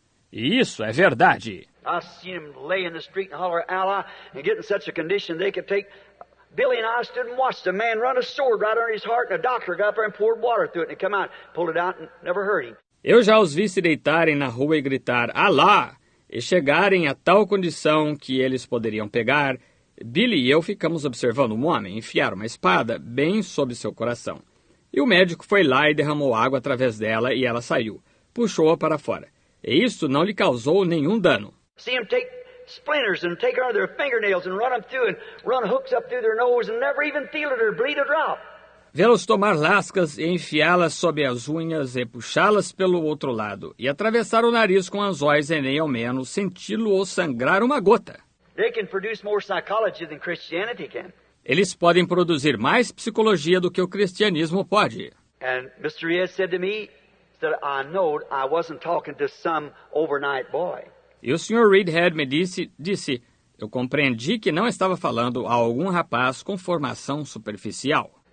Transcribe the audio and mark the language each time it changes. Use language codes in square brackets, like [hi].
[pt] E isso é verdade. [en] I seen them lay in the street and holler, Allah, and get in such a condition they could take. Billy and I stood and watched a man run a sword right under his heart, and a doctor got up there and poured water through it, and he came out, pulled it out, and never hurt him. [pt] Eu já os vi se deitarem na rua e gritar, Allah, e chegarem a tal condição que eles poderiam pegar. Billy e eu ficamos observando um homem enfiar uma espada bem sob seu coração. E o médico foi lá e derramou água através dela, e ela saiu, puxou-a para fora. E isto não lhe causou nenhum dano. [en] See them take splinters and take out of their fingernails and run them through and run hooks up through their nose and never even feel it or bleed a drop. [pt] Vê-los tomar lascas e enfiá-las sob as unhas e puxá-las pelo outro lado e atravessar o nariz com anzóis e nem ao menos senti-lo ou sangrar uma gota. [en] They can produce more psychology than Christianity can. [pt] Eles podem produzir mais psicologia do que o cristianismo pode. [en] And Mr. Yes said to me that I know I wasn't talking to some overnight boy. [pt] E o Sr. Reedhead me disse, eu compreendi que não estava falando a algum rapaz com formação superficial.